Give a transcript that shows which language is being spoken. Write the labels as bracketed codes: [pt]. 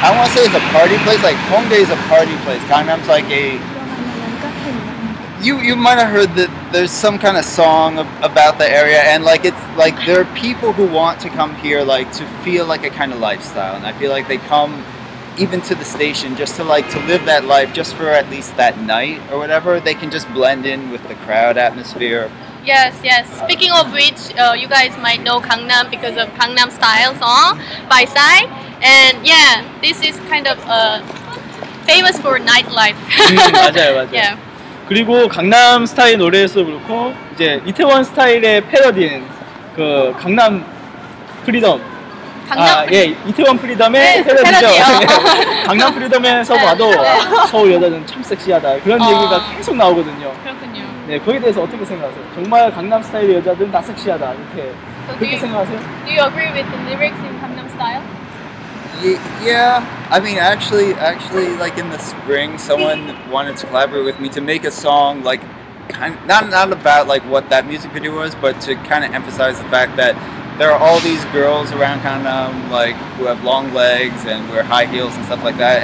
[en] I don't want to say it's a party place, like, Hongdae is a party place, Gangnam's like a, you might have heard that there's some kind of song about the area, and like, it's, like, there are people who want to come here, like, to feel like a kind of lifestyle, and I feel like they come even to the station, just to like, to live that life, just for at least that night or whatever, they can just blend in with the crowd atmosphere. Yes, yes. Speaking of which, you guys might know Gangnam because of Gangnam Style song by Psy. And yeah, this is kind of famous for nightlife. [ko] 맞아요, 맞아요. [en] Yeah. [ko] 그리고 강남 스타일 노래에서 그렇고, 이제 이태원 스타일의 패러디인 그 강남 프리덤. 강남 아, 예, 이태원 프리덤의 패러디죠. 강남 프리덤에서 네. 봐도 서울 여자는 참 섹시하다. 그런 얘기가 계속 나오거든요. 그렇군요. 네, 거기에 대해서 어떻게 생각하세요? 정말 강남 스타일의 여자들은 다 섹시하다. 이렇게. [en] So [ko] 그렇게 [en] do you, [ko] 생각하세요? [en] Do you agree with the lyrics in Gangnam Style? Yeah. I mean, actually like in the spring someone wanted to collaborate with me to make a song like kind of, not about like what that music video was, but to kind of emphasize the fact that there are all these girls around Gangnam, like, who have long legs and wear high heels and stuff like that.